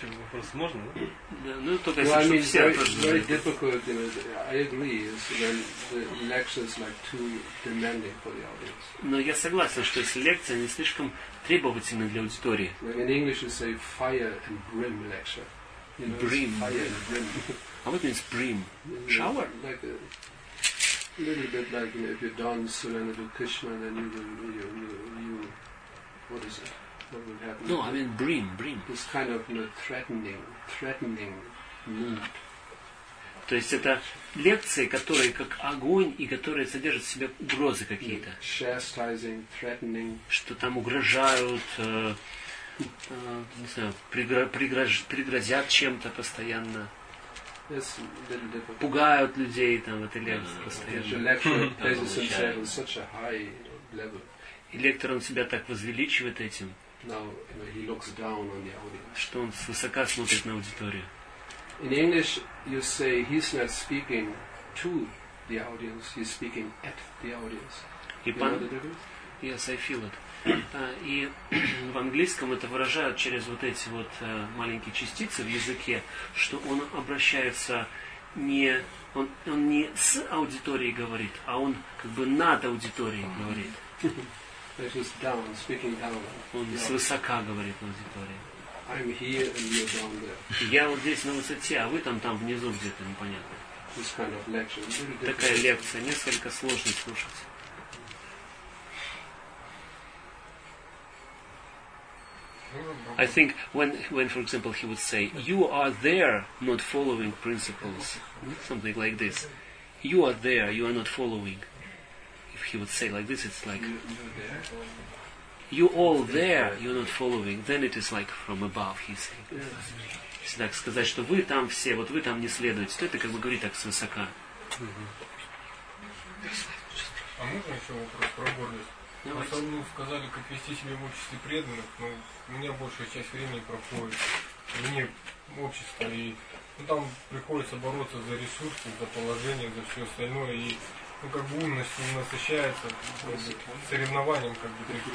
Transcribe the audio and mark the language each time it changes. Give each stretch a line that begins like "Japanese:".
Russian: Вопрос можно, да? Ну, только если чтобы все отражены. Но я согласен, что если лекция не слишком требовательна для аудитории.
English: In English you say fire and brim lecture. Brim. А what means brim? Shower? Like a little bit like, you know, if you don surrender to Krishna, then you what is it? No, I mean brim. This kind of, you know, threatening mood.
Russian: То есть это лекции, которые как огонь и которые содержат в себе угрозы какие-то.
English: Chastising, threatening.
Russian: Что там угрожают, не знаю, пригрозят чем-то постоянно.
English: Yes,
Russian: пугают людей там в этой лекции постоянно. И лектор он себя так возвеличивает этим.
English: Now, you know, he looks down on the audience.
Russian: Что он свысока смотрит на аудиторию.
English: In English, you say he's not speaking to the audience, he's speaking at the audience. Yes, I feel it.
Russian: И в английском это выражают через вот эти вот маленькие частицы в языке, что он обращается не... Он не с аудиторией говорит, а он как бы над аудиторией говорит.
English: That is down, speaking down.
Russian: Он свысока говорит на аудитории.
English: I'm here and you're down there.
Russian: Я вот здесь на высоте, а вы там внизу где-то, непонятно.
English: This kind of lecture.
Russian: Такая лекция, несколько сложно слушать.
English: I think when for example he would say, you are there not following principles. Something like this. You are there, you are not following. He would say like this, it's like you all there, you're not following, then it is like from above, he's saying.
Russian: Если так сказать, что вы там все, вот вы там не следуете, то это как бы говорит так свысока. А можно еще вопрос про гордость? Давайте. В основном сказали, как вести себя в обществе преданных, но у меня большая часть времени проходит вне общества, и ну, там приходится бороться за ресурсы, за положение, за все остальное, и ну, как бы умность насыщается соревнованием, как бы,